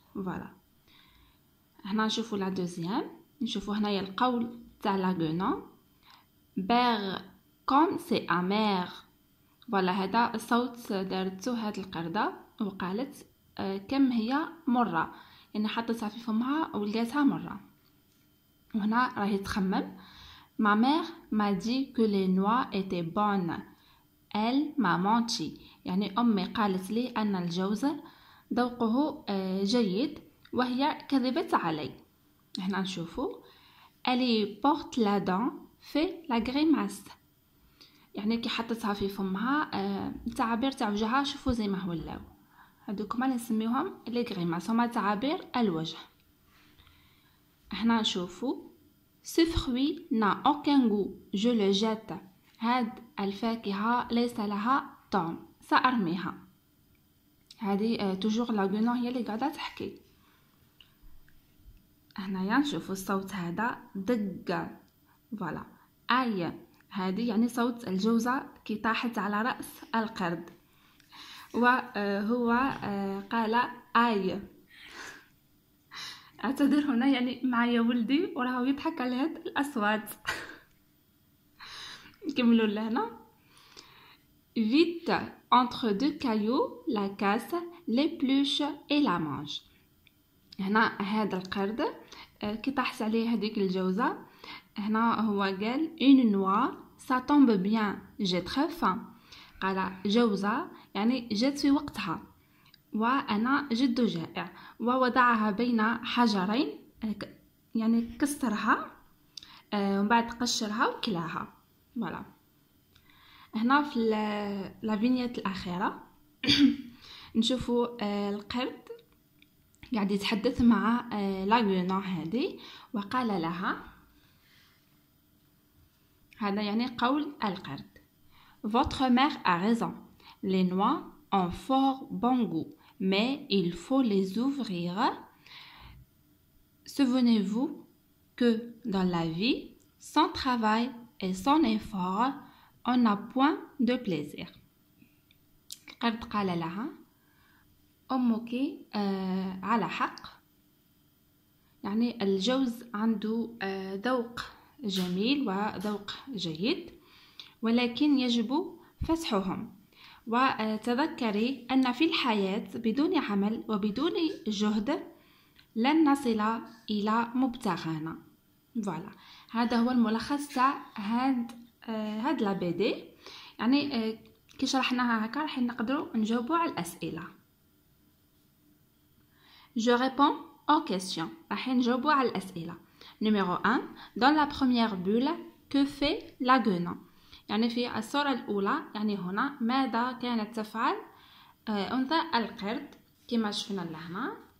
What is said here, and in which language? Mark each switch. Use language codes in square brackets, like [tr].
[ar] فوالا هنا نشوفو لا دوزيام، نشوفو هنايا القول تاع لا غونا بير كوم سي امير. فوالا هذا الصوت دارتو هاد القردة وقالت كم هي مرة، يعني حطتها في فمها ولقاتها مرة. وهنا راهي تخمم [fr] Ma mère m'a dit que les noix étaient bonnes. Elle m'a menti. [ar] يعني أمي قالت لي أن الجوز ذوقه جيد وهي كذبت علي. هنا نشوفو [fr] Elle porte la dent fait la grimace. [ar] يعني كي حطتها في فمها تعابير تاع وجهها شوفوا زي ما هو اللو. هذوكما اللي نسميوهم لي غريماس، هما تعابير الوجه. هنا نشوفو [fr] Ce fruit n'a aucun goût, je le jette. [ar] هاد الفاكهة ليس لها طعم، سأرميها. هادي توجور لا غونا هي اللي قاعدة تحكي. هنايا نشوفو الصوت هذا دق. فوالا اي هادي يعني صوت الجوزة كي طاحت على رأس القرد، وهو قال اي. اعتذر هنا يعني معايا ولدي وراه يضحك على هاد الاصوات. نكملوا لهنا [fr] vite entre deux cailloux la casse l'épluche et la mange. [ar] هنا هذا القرد كي طاحت عليه هذيك الجوزه، هنا هو قال [fr] une noix ça tombe bien j'ai très faim. [ar] قال جوزه يعني جات في وقتها وانا جد جائع، ووضعها بين حجرين يعني كسرها ومن بعد قشرها وكلاها. فوالا هنا في لا فينيت الاخيره نشوفوا القرد قاعد يتحدث مع لا غونا هذه وقال لها، هذا يعني قول القرد [fr] votre mère a raison les noix ont fort bon goût Mais il faut les ouvrir. Souvenez-vous que dans la vie, sans travail et sans effort, on n'a point de plaisir. [ar] القرد قال لها أمك على حق، يعني الجوز عنده ذوق جميل وذوق جيد، ولكن يجب فسحهم. وتذكري أن في الحياة بدون عمل وبدون جهد لن نصل إلى مبتغانا. فوالا هذا هو الملخص تاع هاد لابيدي، يعني كي شرحناها هكا راح نقدروا نجاوبوا على الأسئلة. [fr] Je réponds aux questions. [ar] راح نجاوبوا على الأسئلة. [fr] Numéro 1 Dans la première bulle, que fait la guenon? [ar] يعني في الصورة الأولى، يعني هنا ماذا كانت تفعل أنثى القرد كما شفنا لهنا.